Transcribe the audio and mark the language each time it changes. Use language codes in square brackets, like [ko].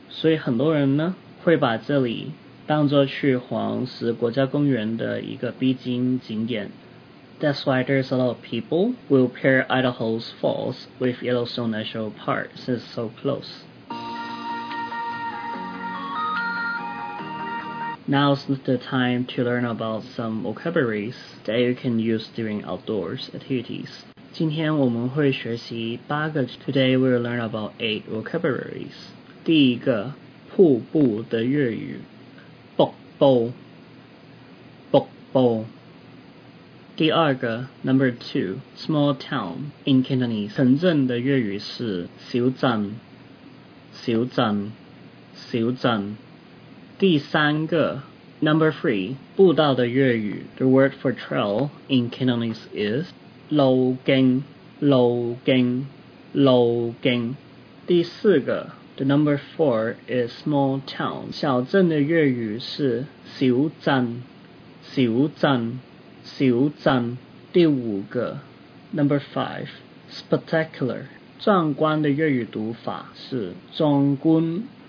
[zh] 所以很多人呢会把这里当作去黄石国家公园的一个必经景点。 [en] That's why there's a lot of people will pair Idaho Falls with Yellowstone National Park since it's so close. Now's the time to learn about some vocabularies that you can use during outdoors activities. [zh] 今天我们会学习八个 [en] Today we'll learn about 8 vocabularies. [zh] 第一个，瀑布的粤语，瀑布，瀑布。第二个 [en] ，Number 2, small town in Cantonese. [zh] 城镇的粤语是小镇，小镇，小镇。第三个 [en] Number 3, [zh] 步道的粤语 [en] The word for trail in Cantonese is [zh] 路径路径路径第四个 [en] The number 4 is small town [zh] 小镇的粤语是小镇小镇小镇第五个 [en] Number 5, spectacular [zh] 壮观的粤语读法是壮观